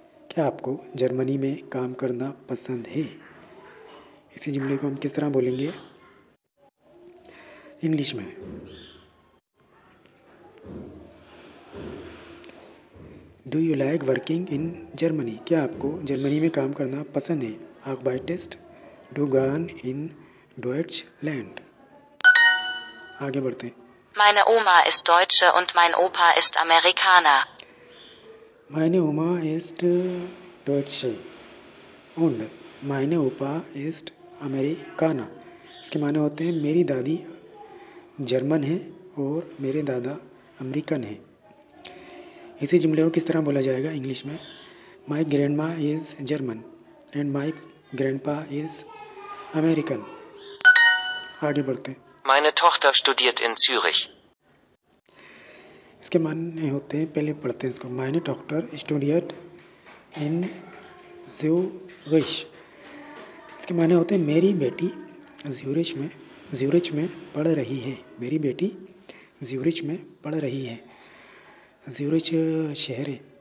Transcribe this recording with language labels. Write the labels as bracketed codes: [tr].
[hi] क्या आपको जर्मनी में काम करना पसंद है, इसी जुमले को हम किस तरह बोलेंगे इंग्लिश में? [en] do you like working in Germany, [hi] क्या आपको जर्मनी में काम करना पसंद है? [de] आर्बाइटेस्ट डू गर्न इन डॉयचलैंड। [hi] आगे बढ़ते हैं। [de] Meine Oma ist Deutsche und mein Opa ist Amerikaner. Meine Oma ist Deutsche und meine Opa ist Amerikaner. [hi] इसके माने होते हैं मेरी दादी जर्मन है और मेरे दादा अमेरिकन है। इसी जुमले को किस तरह बोला जाएगा इंग्लिश में? [en] My grandma is German and my grandpa is American. [hi] आगे बढ़ते हैं। [de] Meine Tochter studiert in Zürich. [hi] इसके माने होते हैं, पहले पढ़ते हैं इसको, [de] meine Tochter studiert in Zürich. [hi] इसके माने होते हैं मेरी बेटी ज्यूरिच में पढ़ रही है। मेरी बेटी ज्यूरिच में पढ़ रही है, ज्यूरिच शहर है।